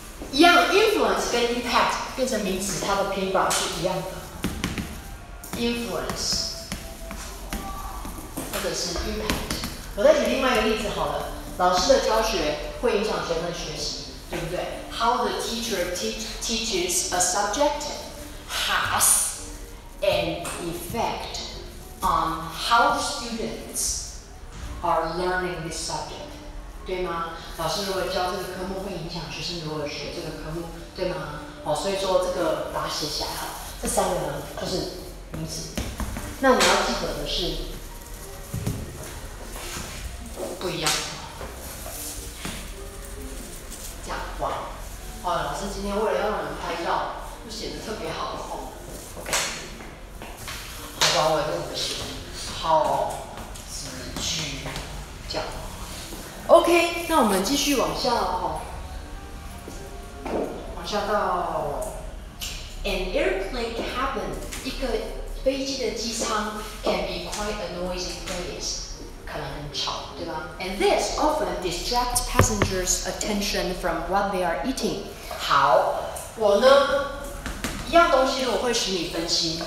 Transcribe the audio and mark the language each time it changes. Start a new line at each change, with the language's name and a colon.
Chinese: 一样 ，influence 跟 impact 变成名词，它的拼法是一样的 ，influence 或者是 impact。我再举另外一个例子好了，老师的教学会影响学生的学习。对不对
English: ？How the teacher teaches a subject has an effect on how the students are learning this subject，
Chinese: 对吗？老师如果教这个科目，会影响学生如何学这个科目，对吗？哦，所以说这个把它写起来哈。这三个呢，就是名词。那我们要记得的是，不一样。哇，老师今天为了让我们拍照，就写得特别好哦。 OK， 好吧，我也跟你们写。好，子句讲。OK， 那我们继续往下哦，往下到 an airplane cabin， 一个飞机的机舱
English: can be quite a noisy place。
Chinese: 可能很吵，对吧
English: ？And this often distracts passengers' attention from what they are eating.
Chinese: 好，我呢，一样东西我会使你分心。